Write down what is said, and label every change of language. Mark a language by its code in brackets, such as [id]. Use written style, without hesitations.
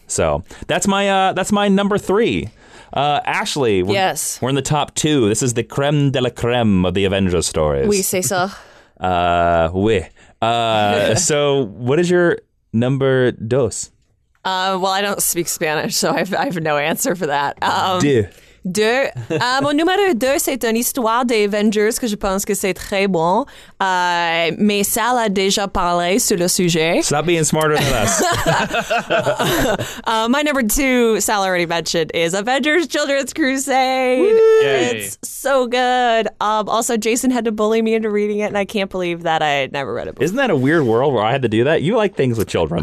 [en] So that's my number three. Ashley, we're in the top two. This is the creme de la creme of the Avengers stories. [fr] Oui, c'est ça. Oui. [en] So what is your number dos? Well, I don't speak Spanish, so I have no answer for that. [fr] Deux. Mon numéro deux, c'est une histoire des Avengers que je pense que c'est très bon. Mais ça l'a déjà parlé sur le sujet. [en] Stop being smarter than us. My number two, Sal already mentioned, is Avengers Children's Crusade. It's so good. Also, Jason had to bully me into reading it, and I can't believe that I had never read it before. Isn't that a weird world where I had to do that? You like things with children.